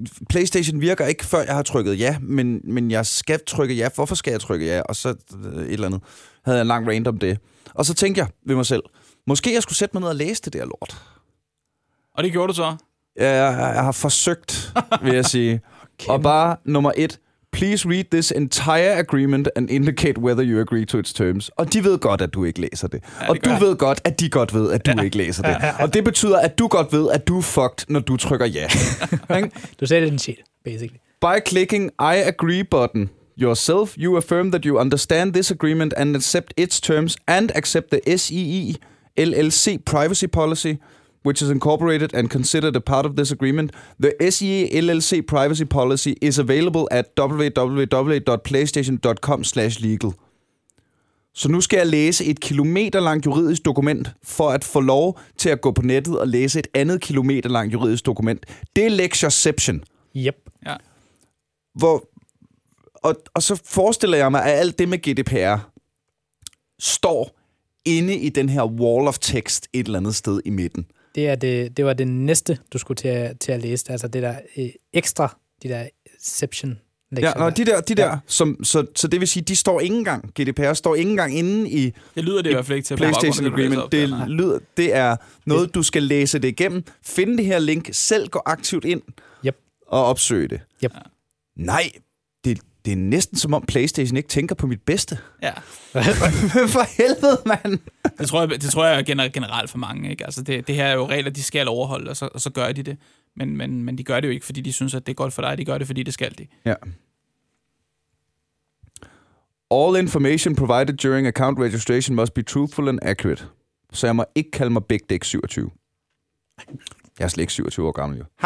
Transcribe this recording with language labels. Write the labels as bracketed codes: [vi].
[da] PlayStation virker ikke, før jeg har trykket ja, men jeg skal trykke ja. Hvorfor skal jeg trykke ja? Og så et eller andet. Havde jeg en lang rant om det. Og så tænkte jeg ved mig selv, måske jeg skulle sætte mig ned og læse det der lort. Og det gjorde du så? Ja, jeg har forsøgt, vil jeg sige. Okay. Og bare nummer et. [en] Please read this entire agreement and indicate whether you agree to its terms. [da] Og de ved godt, at du ikke læser det. Og du ved godt, at de godt ved, at du ikke læser det. Og det betyder, at du godt ved, at du er fucked, når du trykker ja. Du sagde det den shit, basically. [en] By clicking I agree button yourself, you affirm that you understand this agreement and accept its terms and accept the SEE LLC privacy policy, which is incorporated and considered a part of this agreement. The SEE LLC privacy policy is available at www.playstation.com/legal. [da] Så nu skal jeg læse et kilometerlangt juridisk dokument for at få lov til at gå på nettet og læse et andet kilometerlangt juridisk dokument. Det er lectureception. Yep. Ja. Hvor, og så forestiller jeg mig, at alt det med GDPR står inde i den her [en] wall of text [da] et eller andet sted i midten. Det er det var det næste, du skulle til at læse. Altså det der ekstra, de der exception. Ja, nå, de der ja. Så det vil sige, de står ikke engang, GDPR står ikke engang inde i... Det lyder det i hvert fald ikke til. PlayStation Agreement. Det er noget, du skal læse det igennem. Find det her link, selv gå aktivt ind og opsøge det. Yep. Nej, det er næsten som om PlayStation ikke tænker på mit bedste. Ja. For helvede, mand! Det tror jeg generelt for mange, ikke? Altså, det her er jo regler, de skal overholde, og så gør de det. Men de gør det jo ikke, fordi de synes, at det er godt for dig. De gør det, fordi det skal de. Ja. [en] All information provided during account registration must be truthful and accurate. [da] Så jeg må ikke kalde mig Big Dick 27. Jeg er slet ikke 27 år gammel, jo.